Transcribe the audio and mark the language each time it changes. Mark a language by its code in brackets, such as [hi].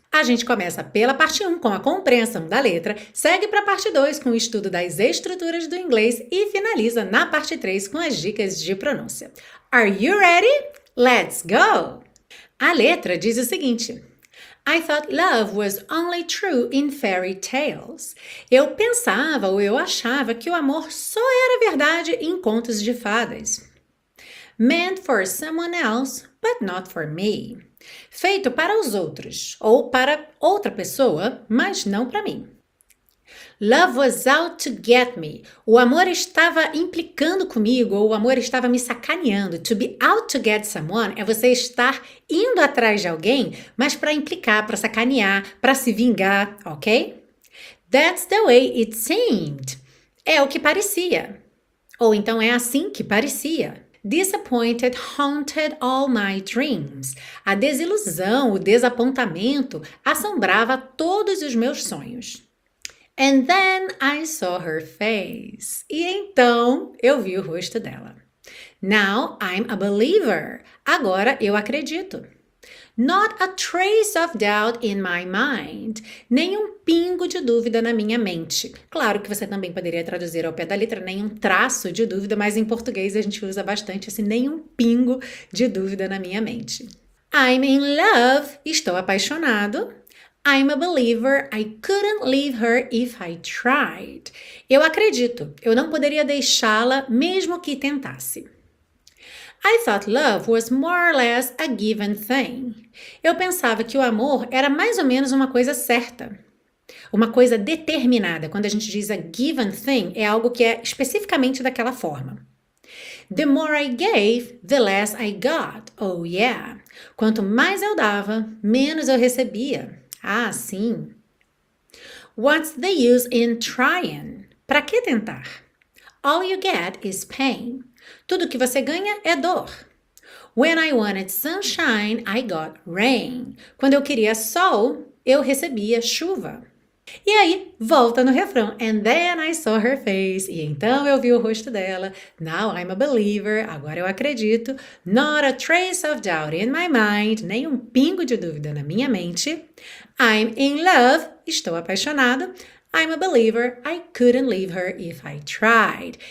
[pt] A gente começa pela parte 1 com a compreensão da letra, segue para a parte 2 com o estudo das estruturas do inglês e finaliza na parte 3 com as dicas de pronúncia. [en] Are you ready? Let's go! [pt] A letra diz o seguinte: [en] I thought love was only true in fairy tales. [pt] Eu pensava ou eu achava que o amor só era verdade em contos de fadas. [en] Meant for someone else, but not for me. [pt] Feito para os outros, ou para outra pessoa, mas não para mim. [en] Love was out to get me. [pt] O amor estava implicando comigo, ou o amor estava me sacaneando. [en] To be out to get someone [pt] é você estar indo atrás de alguém, mas para implicar, para sacanear, para se vingar, ok? [en] That's the way it seemed. [pt] É o que parecia. Ou então é assim que parecia. [en] Disappointed haunted all my dreams. [pt] A desilusão, o desapontamento assombrava todos os meus sonhos. [en] And then I saw her face. [pt] E então eu vi o rosto dela. [en] Now I'm a believer. [pt] Agora eu acredito. [en] Not a trace of doubt in my mind. [pt] Nenhum pingo de dúvida na minha mente. Claro que você também poderia traduzir ao pé da letra, nenhum traço de dúvida, mas em português a gente usa bastante esse nenhum pingo de dúvida na minha mente. [en] I'm in love. [pt] Estou apaixonado. [en] I'm a believer. I couldn't leave her if I tried. [pt] Eu acredito. Eu não poderia deixá-la mesmo que tentasse. [en] I thought love was more or less a given thing. [pt] Eu pensava que o amor era mais ou menos uma coisa certa, uma coisa determinada. Quando a gente diz [en] a given thing, [pt] é algo que é especificamente daquela forma. [en] The more I gave, the less I got. Oh yeah. [pt] Quanto mais eu dava, menos eu recebia. Ah, sim. [en] What's the use in trying? [pt] Para que tentar? [en] All you get is pain. [pt] Tudo que você ganha é dor. [en] When I wanted sunshine, I got rain. [pt] Quando eu queria sol, eu recebia chuva. E aí, volta no refrão. [en] And then I saw her face. [pt] E então eu vi o rosto dela. [en] Now I'm a believer. [pt] Agora eu acredito. [en] Not a trace of doubt in my mind. [pt] Nem um pingo de dúvida na minha mente. [en] I'm in love. [pt] Estou apaixonado. [en] I'm a believer, I couldn't leave her if I tried.